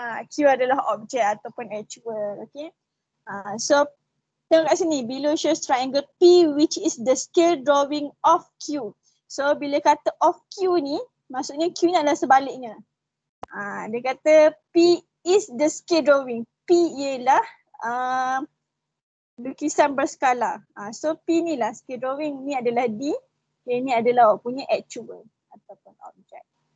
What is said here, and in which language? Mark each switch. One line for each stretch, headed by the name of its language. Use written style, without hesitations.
Malay: Q adalah objek ataupun actual, okay.
English: So,
Malay: tengok kat sini,
English: below shows triangle P which is the scale drawing of Q.
Malay: So, bila kata of Q ni, maksudnya Q ni adalah sebaliknya. Dia kata
English: P is the scale drawing.
Malay: P ialah lukisan berskala. So P ni lah scale drawing, ni adalah D, okay, ni adalah awak punya actual ataupun object.